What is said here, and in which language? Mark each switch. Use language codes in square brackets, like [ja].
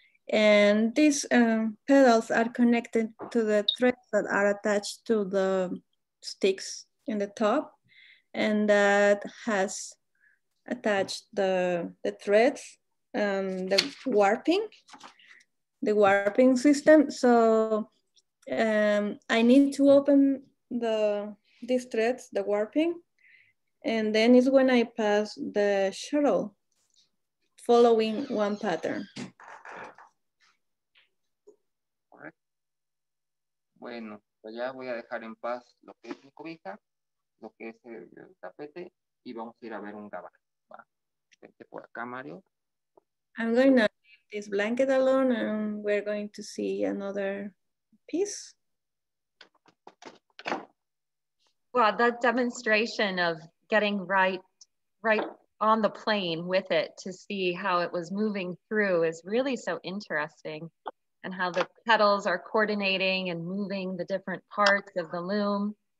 [en] And these petals are connected to the threads that are attached to the sticks in the top, and that has attached the threads, the warping, system. So I need to open these threads, the warping, and then is when I pass the shuttle following one pattern. All right. [es] Bueno, pues ya voy a dejar en paz lo que es mi cobija, lo que es el tapete, y vamos a ir a ver un gabán. Va. Vente por acá, Mario. [en] I'm going to leave this blanket alone, and we're going to see another piece. Wow, that demonstration of getting right on the plane with it to see how it was moving through is really so interesting, and how the petals are coordinating and moving the different parts of the loom.